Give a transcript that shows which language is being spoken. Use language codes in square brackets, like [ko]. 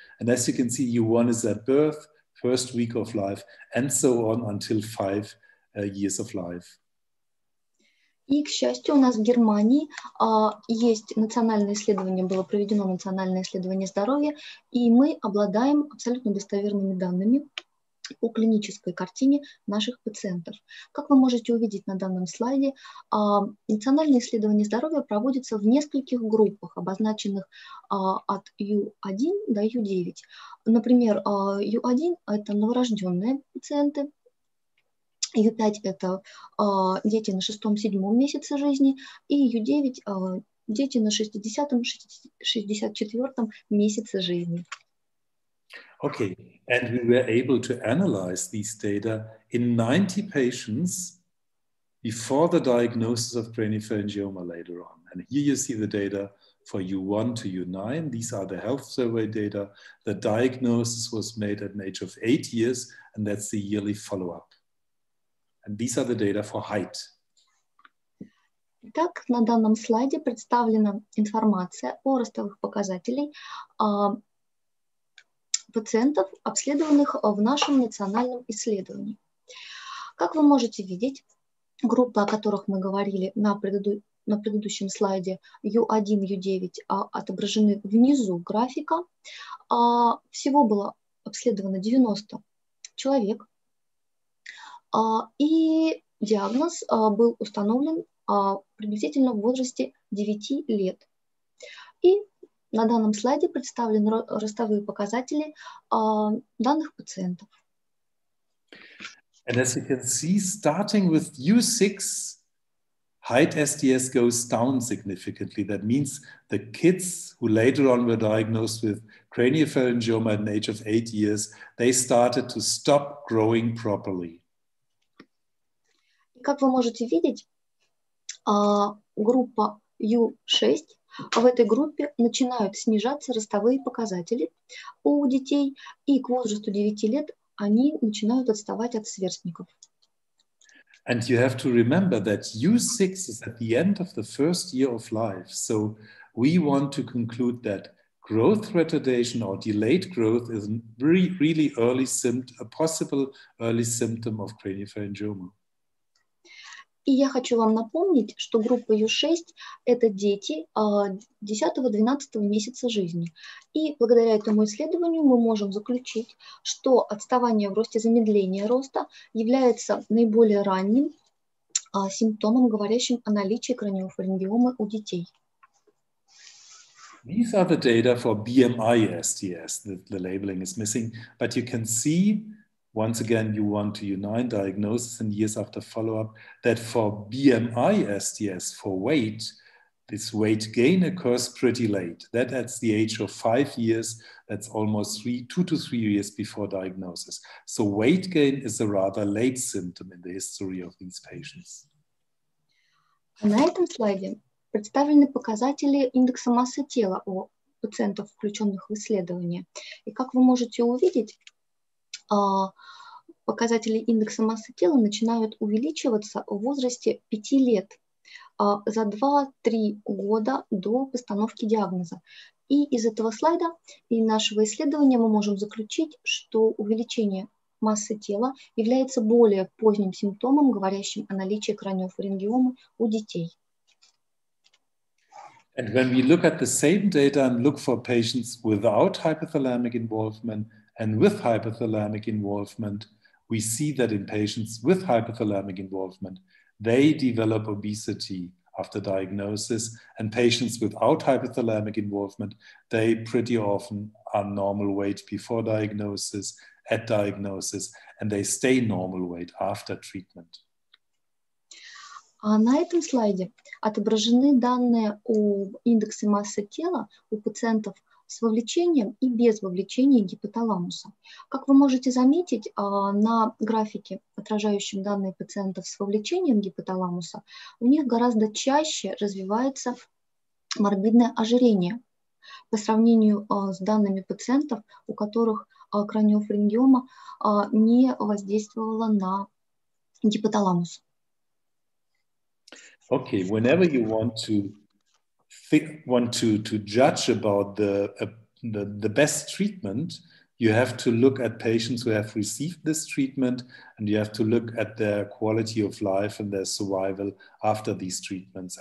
[en] And as you can see, U1 is at birth, first week of life, and so on until 5 years of life. [ru] И, к счастью, у нас в Германии есть национальное исследование, было проведено национальное исследование здоровья, и мы обладаем абсолютно достоверными данными по клинической картине наших пациентов. Как вы можете увидеть на данном слайде, национальное исследование здоровья проводится в нескольких группах, обозначенных от U1 до U9. Например, U1 – это новорожденные пациенты, U5 – это дети на 6-7 месяце жизни, и U9 – дети на 60-64 месяце жизни. [en] Okay, and we were able to analyze these data in 90 patients before the diagnosis of craniopharyngioma later on. And here you see the data for U1 to U9. These are the health survey data. The diagnosis was made at an age of 8 years, and that's the yearly follow-up. And these are the data for height. [ru] Итак, на данном слайде представлена информация о ростовых показателях пациентов, обследованных в нашем национальном исследовании. Как вы можете видеть, группы, о которых мы говорили на предыдущем слайде, U1, U9, отображены внизу графика. Всего было обследовано 90 человек. И диагноз был установлен приблизительно в возрасте 9 лет. И на данном слайде представлены ростовые показатели данных пациентов. [en] And as you can see, starting with U6, height SDS goes down significantly. That means the kids who later on were diagnosed with craniopharyngioma at an age of 8 years, they started to stop growing properly. [ru] Как вы можете видеть, группа U6, в этой группе начинают снижаться ростовые показатели у детей, и к возрасту 9 лет они начинают отставать от сверстников. [en] And you have to remember that U6 is at the end of the first year of life, so we want to conclude that growth retardation or delayed growth is really early symptom, a possible early symptom of craniopharyngioma. [ru] И я хочу вам напомнить, что группа U6 – это дети 10-12 месяца жизни. И благодаря этому исследованию мы можем заключить, что отставание в росте, замедление роста является наиболее ранним симптомом, говорящим о наличии краниофарингиомы у детей. [en] These are the data for BMI STS. The labeling is missing, but you can see once again, U1 to U9 diagnosis and years after follow-up, that for BMI STS, for weight, this weight gain occurs pretty late. That at the age of 5 years, that's almost 2 to 3 years before diagnosis. So weight gain is a rather late symptom in the history of these patients. [ru] На этом слайде представлены показатели индекса массы тела у пациентов, включенных в исследование. И как вы можете увидеть, показатели индекса массы тела начинают увеличиваться в возрасте 5 лет, за 2-3 года до постановки диагноза. И из этого слайда и нашего исследования мы можем заключить, что увеличение массы тела является более поздним симптомом, говорящим о наличии краниофарингиомы у детей. [en] And when we look at the same data and look for patients without hypothalamic involvement and with hypothalamic involvement, we see that in patients with hypothalamic involvement, they develop obesity after diagnosis, and patients without hypothalamic involvement, they pretty often are normal weight before diagnosis, at diagnosis, and they stay normal weight after treatment. [ru] А на этом слайде отображены данные о индексе массы тела у пациентов, с вовлечением и без вовлечения гипоталамуса. Как вы можете заметить, на графике, отражающем данные пациентов с вовлечением гипоталамуса, у них гораздо чаще развивается морбидное ожирение по сравнению с данными пациентов, у которых краниофарингиома не воздействовала на гипоталамус. [en] Okay, whenever you want to think, want to judge about the best treatment, you have to look at patients who have received this treatment, and you have to look at their quality of life and their survival after these treatments.